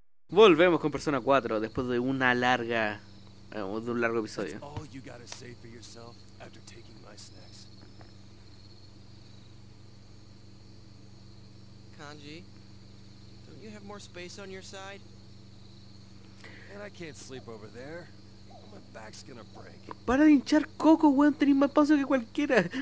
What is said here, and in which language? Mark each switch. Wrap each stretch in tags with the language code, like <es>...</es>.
<es>Volvemos con Persona 4 después de una larga, de un largo episodio.</es> <en>Kanji, don't you have more space on your side? And I can't sleep over there. My back's gonna break.</en> <es>Para de hinchar coco, weón, tenés más paso que cualquiera.</es>